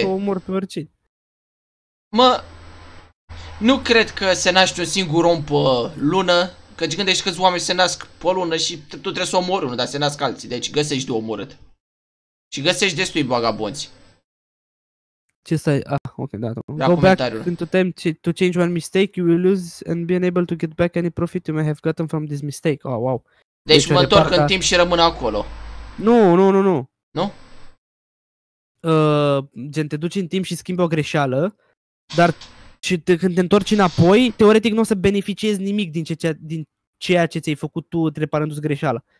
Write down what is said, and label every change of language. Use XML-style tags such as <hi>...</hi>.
<ro>Să omor pe oricine. Mă, nu cred că se naște un singur om pe lună, căci gândești câți oameni se nasc pe lună și tu trebuie să omori unul, dar se nasc alții. Deci găsești de omorât. Și găsești destui vagabonți. Ce stai? Ah, ok, da.</ro> <en>Go back into time to change one mistake you will lose and be unable to get back any profit you may have gotten from this mistake. Oh, wow.</en> <ro>Deci mă întorc în timp și rămân acolo. Nu, nu, nu, nu. Nu? Gen, te duci în timp și schimbi o greșeală, dar și te, când te întorci înapoi, teoretic nu o să beneficiezi nimic din, din ceea ce ți-ai făcut tu reparându-ți greșeala.</ro>